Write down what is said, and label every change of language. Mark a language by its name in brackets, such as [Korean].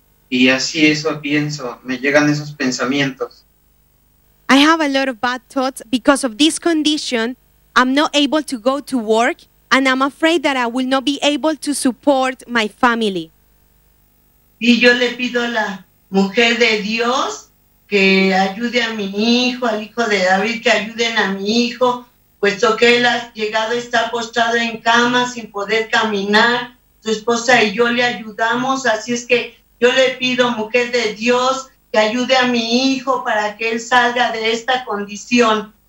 [Spanish] Y así eso pienso, me llegan esos pensamientos. [English] I have a lot of bad thoughts because of this condition. I'm not able to go to work and I'm afraid that I will not be able to support my family. [Spanish] Y yo le pido a la mujer de Dios que ayude a mi hijo, al hijo de David, que ayuden a mi hijo, puesto que él ha llegado a estar postrado en cama sin poder caminar. Su esposa y yo le ayudamos, así es que yo le pido, mujer de Dios, que ayude a mi hijo para que él salga de esta condición.